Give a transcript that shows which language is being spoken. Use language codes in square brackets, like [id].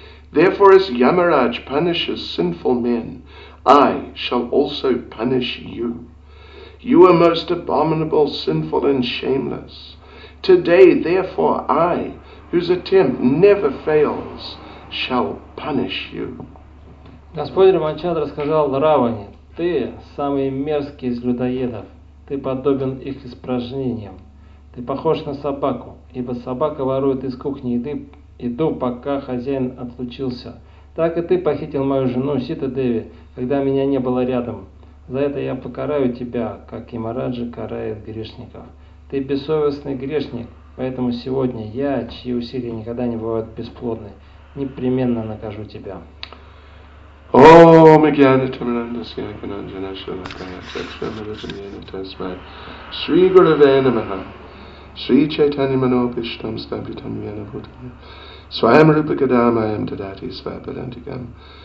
[en] Therefore, as Yamaraj punishes sinful men, I shall also punish you. You are most abominable, sinful, and shameless. Today, therefore, I, whose attempt never fails, shall punish you." [ru] Господь Рамачандра сказал Раване: "Ты самый мерзкий из людоедов. Ты подобен их испражнениям. Ты похож на собаку, ибо собака ворует из кухни еду, пока хозяин отлучился. Так и ты похитил мою жену Сита Деви, когда меня не было рядом. За это я покараю тебя, как Ямараджа карает грешников. Ты бессовестный грешник, поэтому сегодня я, чьи усилия никогда не бывают бесплодны, непременно накажу тебя." [sa] О, Магьяна Тамаранда Сьяканаджана Шалакая Чакшамара Тамьяна Тасмай Шри Гураве Намаха Шри Чайтани Манопиштам Стабитам Вьяна Бхутана Свайам Рупа Гадамаям Дадати Свайпадантикам